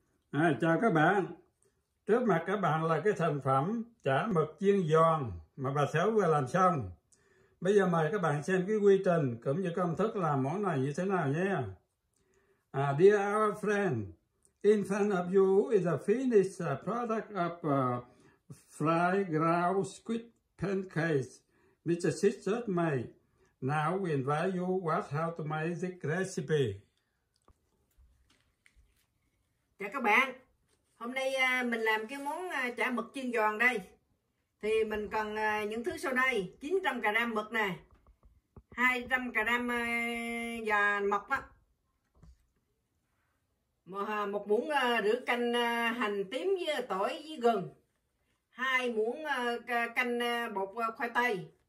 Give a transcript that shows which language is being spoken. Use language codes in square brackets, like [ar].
[vi] À, chào các bạn, trước mặt các bạn là cái thành phẩm chả mực chiên giòn mà bà Sáu vừa làm xong. Bây giờ mời các bạn xem cái quy trình cũng như công thức làm món này như thế nào nhé. [en] À, dear our friend, in front of you is a finished product of fried grouse squid pancakes Mr. Sisters made. Now we invite you watch how to make this recipe. [vi] Chào các bạn, hôm nay mình làm cái món chả mực chiên giòn đây. Thì mình cần những thứ sau đây: 900 g mực nè, 200 g giò mọc á, một muỗng rửa canh hành tím với tỏi với gừng, hai muỗng canh bột khoai tây,